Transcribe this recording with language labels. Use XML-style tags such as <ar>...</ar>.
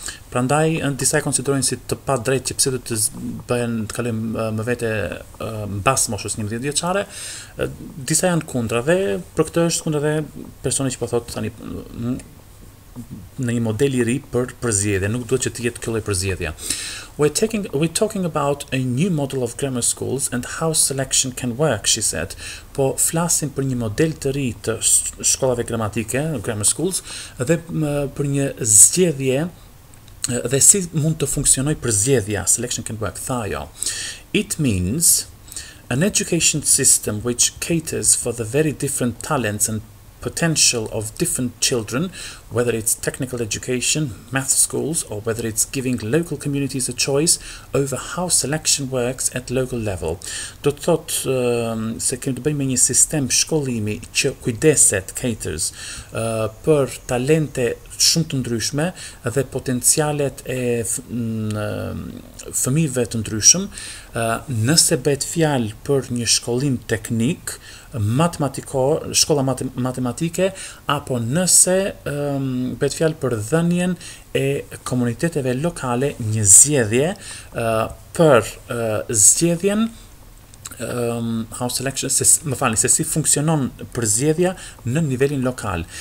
<sq>Prandaj, disa e konsiderojnë si të pa drejt që pse do të bëhen të kalojnë më vete mbas moshës 11 vjeçare. Disa janë kundra dhe për këtë është kundra dhe personi që po thotë tani në një model I ri për përzgjedhje, nuk duhet që të jetë kjo lloj përzgjedhje.</sq> <en>We're talking about a new model of grammar schools and how selection can work, she said.</en> <sq>Po flasim për një model të ri të shkollave gramatike,</sq> <en>grammar schools,</en> <sq>dhe për një zgjedhje dhe si mund të funksionoj përzgjedhja,</sq> <en>selection can work,</en> <sq>tha jo.</sq> <en>It means an education system which caters for the very different talents and potential of different children, whether it's technical education, math schools, or whether it's giving local communities a choice over how selection works at local level.</en> <sq>Do të thot se kemi të bëjmë me një sistem shkollimi që kujdeset,</sq> <en>caters,</en> <sq>për talente shumë të ndryshme dhe potencialet e fëmijëve të ndryshëm, nëse bëhet fjalë për një shkollim teknik, shkolla matematike, apo nëse bëhet fjalë për dhënien e komuniteteve lokale një zgjedhje për zgjedhjen</sq> <en>how selection</en> <sq>se si funksionon përzgjedhja në nivelin lokal.</sq>